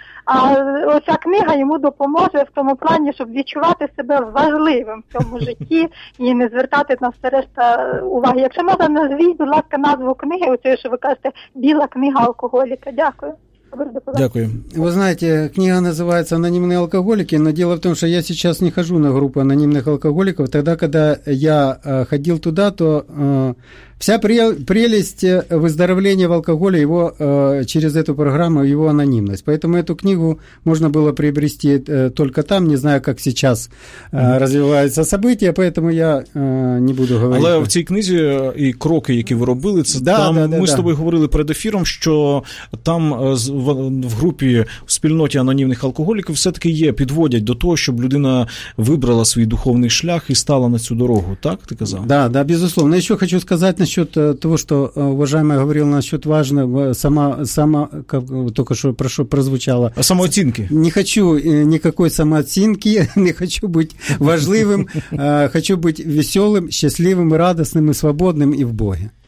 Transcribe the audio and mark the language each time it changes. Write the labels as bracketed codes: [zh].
[uk] А оця книга йому допоможе в тому плані, щоб відчувати себе важливим в цьому житті і не звертати на все решта уваги. Якщо можна, назвіть, будь ласка, назву книги, оце, що ви кажете, «Біла книга алкоголіка». Дякую. Дякую. Ви знаєте, книга називається «Анонімні алкоголіки», але діло в тому, що я зараз не хожу на групу анонімних алкоголіків. Тоді, коли я ходив туди, то [ru] вся прелесть выздоровления в алкоголе его через эту программу, его анонимность. Поэтому эту книгу можно было приобрести только там. Не знаю, как сейчас развиваются события, поэтому я не буду говорить. [uk] Але в цій книзі і кроки, які ви робили, це да, там да, ми да, з тобою да. говорили перед ефіром, що там в групі, в спільноті анонімних алкоголіків все-таки є, підводять до того, щоб людина вибрала свій духовний шлях і стала на цю дорогу, так ти казав? [ru] Да, да, безусловно. [uk] Я ще хочу сказати, [ru] насчет того, что уважаемая говорила насчет важного, как, только что прошу, прозвучало. А самооценки? Не хочу никакой самооценки, не хочу быть важливым, хочу быть веселым, счастливым, радостным и свободным и в Боге.